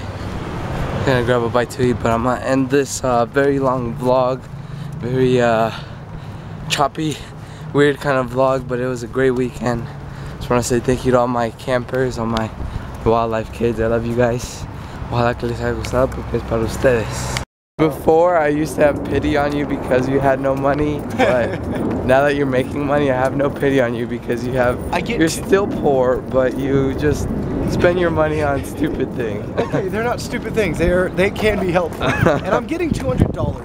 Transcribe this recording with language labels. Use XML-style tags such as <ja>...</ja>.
<en>I'm gonna grab a bite to eat, but I'm gonna end this very long vlog, very choppy, weird kind of vlog, but it was a great weekend. Just wanna say thank you to all my campers, all my wildlife kids. I love you guys.</en> <es>Ojalá que les haya gustado porque es para ustedes.</es> <en>Before, I used to have pity on you because you had no money, but now that you're making money, I have no pity on you because you have, still poor, but you just spend your money on stupid things. Okay, they're not stupid things. They can be helpful. And I'm getting $200 tomorrow.</en>